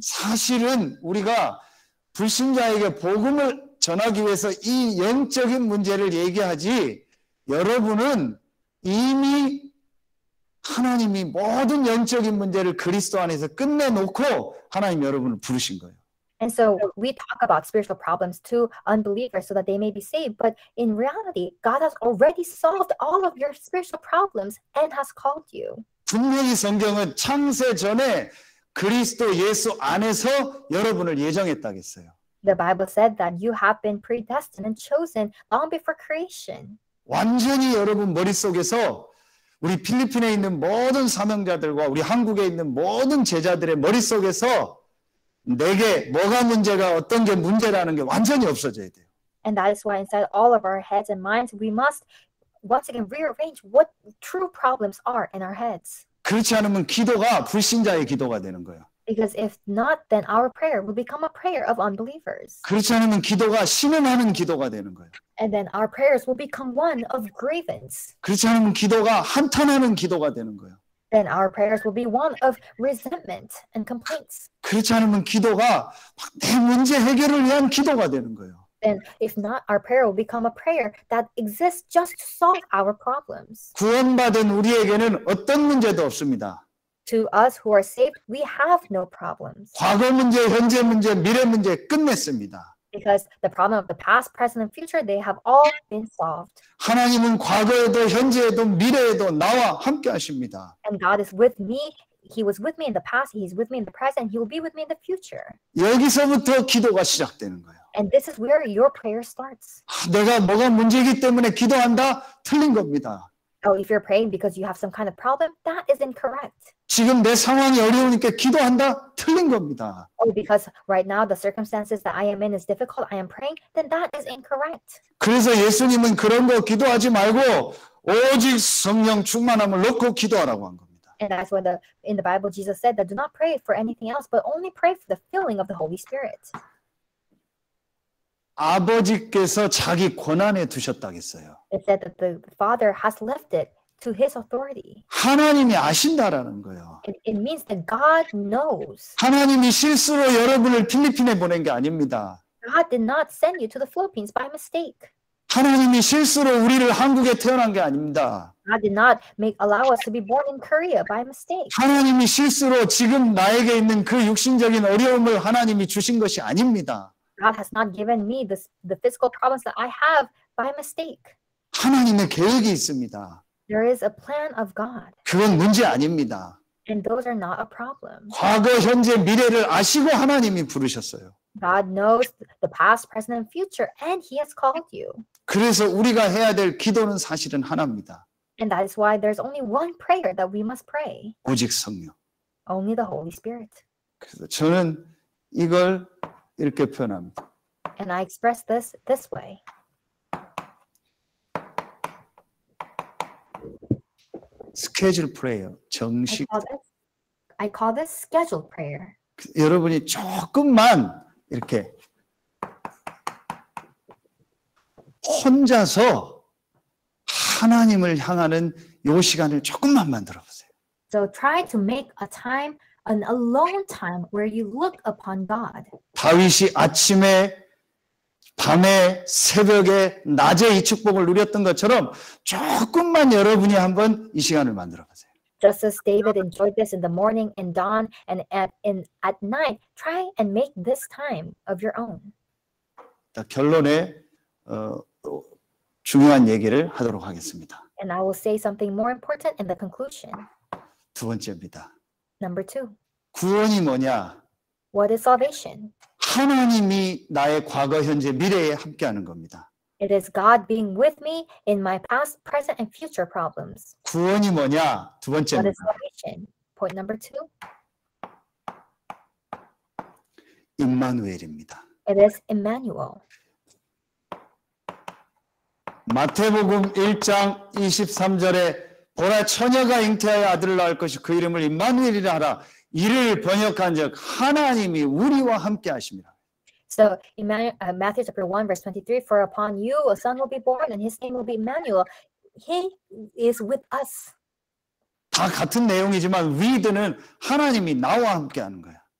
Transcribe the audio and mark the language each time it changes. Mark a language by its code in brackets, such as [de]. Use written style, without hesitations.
[ko] 사실은 우리가 불신자에게 복음을 전하기 위해서 이 영적인 문제를 얘기하지 여러분은 이미 하나님이 모든 영적인 문제를 그리스도 안에서 끝내놓고 하나님 여러분을 부르신 거예요. [en] And so we talk about spiritual problems to unbelievers so that they may be saved. But in reality, God has already solved all of your spiritual problems and has called you. [ko] 분명히 성경은 창세 전에 그리스도 예수 안에서 여러분을 예정했다겠어요. [en] The Bible said that you have been predestined and chosen long before creation. [ko] 완전히 여러분 머릿속에서 우리 필리핀에 있는 모든 사명자들과 우리 한국에 있는 모든 제자들의 머릿속에서 내게 뭐가 문제가 어떤 게 문제라는 게 완전히 없어져야 돼요. [en] And that is why inside all of our heads and minds we must once again rearrange what true problems are in our heads. [ko] 그렇지 않으면 기도가 불신자의 기도가 되는 거예요. [en] Because if not then our prayer will become a prayer of unbelievers. [ko] 그렇지 않으면 기도가 신음하는 기도가 되는 거예요. [en] And then our prayers will become one of grievance. [ko] 그렇지 않으면 기도가 한탄하는 기도가 되는 거예요. [en] Then our prayers will be one of resentment and complaints. [ko] 그렇지 않으면 기도가 막 내 문제 해결을 위한 기도가 되는 거예요. [en] Then if not our prayer will become a prayer that exists just to solve our problems. [ko] 구원받은 우리에게는 어떤 문제도 없습니다. [en] To us who are saved, we have no problems. [ko] 과거 문제, 현재 문제, 미래 문제 끝냈습니다. [en] Because the problem of the past, present, and future, they have all been solved. [ko] 하나님은 과거에도, 현재에도, 미래에도 나와 함께 하십니다. [en] And God is with me. He was with me in the past. He is with me in the present. He will be with me in the future. [ko] 여기서부터 기도가 시작되는 거예요. [en] And this is where your prayer starts. [ko] 내가 뭐가 문제이기 때문에 기도한다? 틀린 겁니다. [en] Oh, if you're praying because you have some kind of problem, that is incorrect. [ko] 지금 내 상황이 어려우니까 기도한다? 틀린 겁니다. [en] Oh, because right now the circumstances that I am in is difficult, I am praying, then that is incorrect. [ko] 그래서 예수님은 그런 거 기도하지 말고 오직 성령 충만함을 놓고 기도하라고 한 겁니다. [en] And that's what in the Bible Jesus said that do not pray for anything else, but only pray for the filling of the Holy Spirit. [ko] 아버지께서 자기 권한에 두셨다겠어요. [en] It said that the Father has left it to His authority. [ko] 하나님이 아신다라는 거예요. [en] It means that God knows. [ko] 하나님이 실수로 여러분을 필리핀에 보낸 게 아닙니다. [en] God did not send you to the Philippines by mistake. [ko] 하나님이 실수로 우리를 한국에 태어난 게 아닙니다. [en] God did not allow us to be born in Korea by mistake. [ko] 하나님이 실수로 지금 나에게 있는 그 육신적인 어려움을 하나님이 주신 것이 아닙니다. [en] God has not given me the physical problems that I have by mistake. [ko] 하나님의 계획이 있습니다. [en] There is a plan of God. [ko] 그건 문제 아닙니다. [en] And those are not a problem. [ko] 과거, 현재, 미래를 아시고 하나님이 부르셨어요. [en] God knows the past, present, and future, and He has called you. [ko] 그래서 우리가 해야 될 기도는 사실은 하나입니다. [en] And that is why there's only one prayer that we must pray. [ko] 오직 성령. [en] Only the Holy Spirit. [ko] 그래서 저는 이걸 이렇게 표현합니다. [en] And I express this this way. 스케줄 프레이어, 정식. I call this scheduled prayer. [ko] 여러분이 조금만 이렇게 혼자서 하나님을 향하는 요 시간을 조금만 만들어 보세요. [en] So try to make a time, an alone time where you look upon God. [ko] 다윗이 아침에 밤에 새벽에 낮에 이 축복을 누렸던 것처럼 조금만 여러분이 한번 이 시간을 만들어 보세요. [en] Just as David enjoyed this in the morning and dawn and at night, try and make this time of your own. [ko] 자, 결론에 중요한 얘기를 하도록 하겠습니다. [en] And I will say something more important in the conclusion. [ko] 두 번째입니다. [en] Number two. [ko] 구원이 뭐냐? [en] What is salvation? [ko] 하나님이 나의 과거, 현재, 미래에 함께하는 겁니다. [en] It is God being with me in my past, present, and future problems. [ko] 구원이 뭐냐? 두 번째. [en] What is salvation? Point number two. [ko] 임마누엘입니다. [en] It is Emmanuel. [ko] 마태복음 1장 23절에 보라 처녀가 잉태하여 아들을 낳을 것이 그 이름을 임마누엘이라 하라. 이를 번역한 즉 하나님이 우리와 함께 하십니다. [en] So in Matthew chapter 1 verse 23, for upon you a son will be born and his name will be Emmanuel. He is with us. [ko] 다 같은 내용이지만 with는 하나님이 나와 함께 하는 거야.